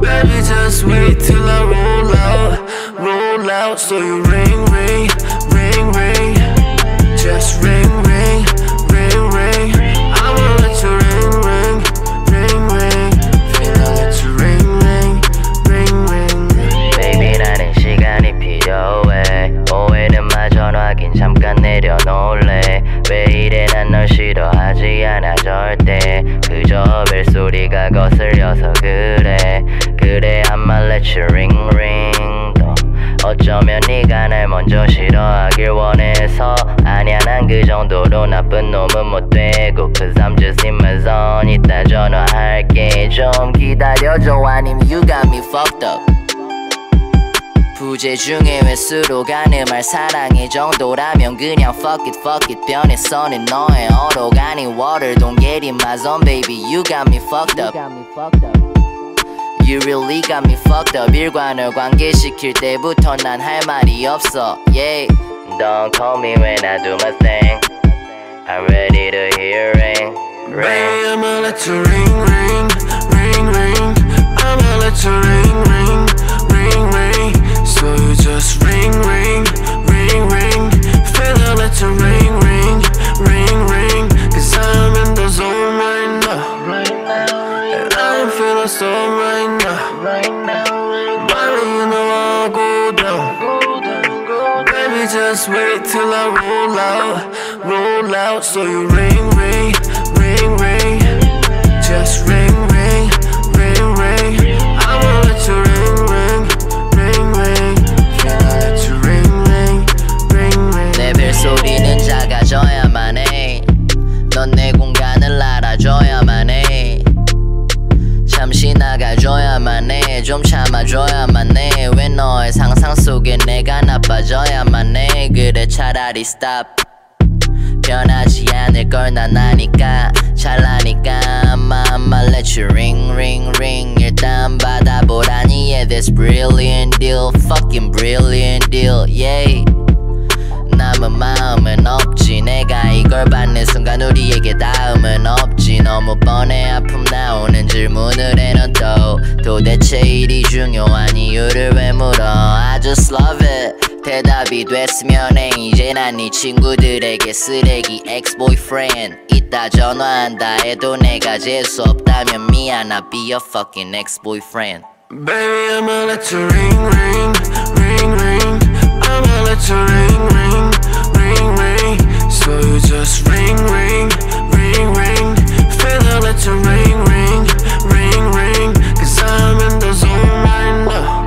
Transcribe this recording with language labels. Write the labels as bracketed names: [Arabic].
[English] Baby, just wait till I roll out. Roll out, so you ring, ring, ring, ring. Just ring, ring, ring, ring. I'ma let you ring, ring, ring, ring. Finna let you ring, ring, ring, ring. [Korean] Baby, 나는 시간이 필요해. 오해는 마전화긴 잠깐 내려놓을래. 왜 이래 난 널 싫어하지 않아 절대. 그저 벨소리가 거슬려서 그래. 그래 [English] I'ma let you ring, ring. [Korean] 어쩌면 네가 날 먼저 싫어하길 원해서. 아니야 난 그 정도로 나쁜 놈은 못 되고. [English] Cause I'm just in my zone. [Korean] 이따 전화할게. 좀 기다려줘. 아님 [English] you got me fucked up. [Korean] 부재 중에 횟수로 가는 말 사랑의 정도라면 그냥 [English] fuck it fuck it. [Korean] 변했어 는 너의 어록 아닌 water. [English] Don't get in my zone baby. You got me fucked up. You really got me fucked up. [Korean] 일관을 관계시킬 때부터 난 할 말이 없어. [English] Yeah. Don't call me when I do my thing. I'm ready to hear ring, ring. Baby, I'ma let you ring, ring, ring, ring. I'ma let you ring, ring, ring, ring. So you just ring, ring, ring, ring. Feel I'll let you ring, ring, ring, ring. Cause I'm in the zone right now. Right now. Feel so right now. Right now. Body in the wall, go down. Go down, go down. Baby, just wait till I roll out. Roll out. So you ring, ring, ring, ring. Just ring, ring, ring, ring. I'ma let you ring, ring, ring, ring. Can I let you ring, ring, ring, ring. [Korean] 내 벨소리는 작아져야만 해. 넌 내 공간을 알아줘야만 해. 잠시 나가줘야만 해. 좀 참아줘야만 해. 왜 너의 상상 속에 내가 나빠져야만 해. 그래 차라리 stop. 변하지 않을 걸 난 아니까. 잘나니까 [English] I'ma, I'ma let you ring ring ring. [Korean] 일단 받아보라니. [English] Yeah that's brilliant deal. Fucking brilliant deal. Yay. [Korean] 남은 마음은 없지. 내가 이걸 받는 순간 우리에게 다음은 없지. 너무 뻔해 아픔 나오는 질문을 해. 넌 또 도대체 일이 중요한 이유를 왜 물어. [English] I just love it. [Korean] 대답이 됐으면 해. 이제 난 네 친구들에게 쓰레기 ex-boyfriend. 이따 전화한다 해도 내가 재수 없다면 미안. [English] I'll be your fucking ex-boyfriend. Baby I'ma let you ring ring ring ring. I'ma let you ring ring ring ring. So you just ring ring ring ring. Feel I let you ring ring ring ring. Cause I'm in the zone right now.